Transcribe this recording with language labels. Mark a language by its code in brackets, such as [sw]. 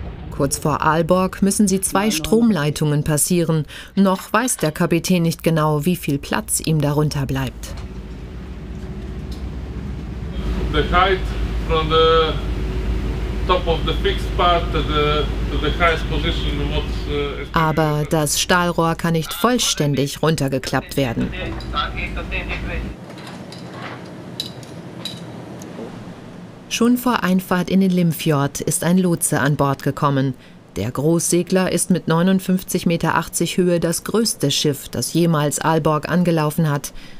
[de] Kurz vor Aalborg müssen sie 2 Stromleitungen passieren. Noch weiß der Kapitän nicht genau, wie viel Platz ihm darunter bleibt. [en] The height from the top of the fixed part to the highest position was. [de] Aber das Stahlrohr kann nicht vollständig runtergeklappt werden. Schon vor Einfahrt in den Limfjord ist ein Lotse an Bord gekommen. Der Großsegler ist mit 59,80 Meter Höhe das größte Schiff, das jemals Aalborg angelaufen hat.